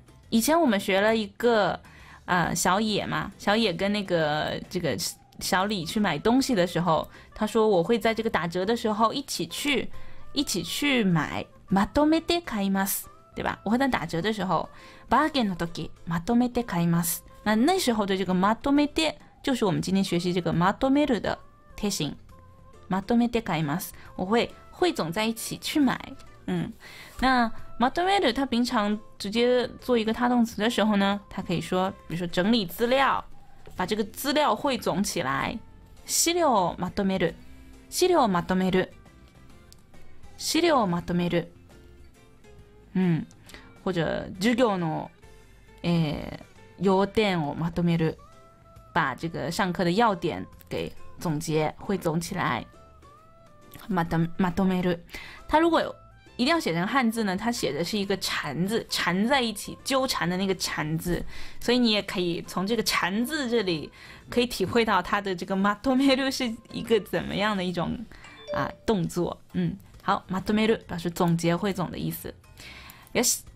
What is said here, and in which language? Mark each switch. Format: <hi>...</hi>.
<zh>以前我们学了一个、小野嘛，小野跟那个这个小李去买东西的时候，他说我会在这个打折的时候一起去买。</zh> <ja>まとめて買います，</ja> <zh>对吧？我会在打折的时候，</zh> <ja>バーゲンの時まとめて買います。</ja> <zh>那时候的这个まとめて就是我们今天学习这个まとめる的贴形。</zh> <ja>まとめて買います，</ja> <zh>我会汇总在一起去买。那まとめる它平常直接做一个他动词的时候呢，它可以说，比如说整理资料，把这个资料汇总起来。</zh> <ja>資料をまとめる，資料をまとめる，資料をまとめる。</ja> <zh>或者</zh> <ja>授業の要点をまとめる，</ja> <zh>把这个上课的要点给总结汇总起来。まとめる，它如果一定要写成汉字呢，它写的是一个缠字，缠在一起，纠缠的那个缠字，所以你也可以从这个缠字这里可以体会到它的这个まとめる是一个怎么样的一种动作。好，まとめる表示总结汇总的意思。よし，</zh>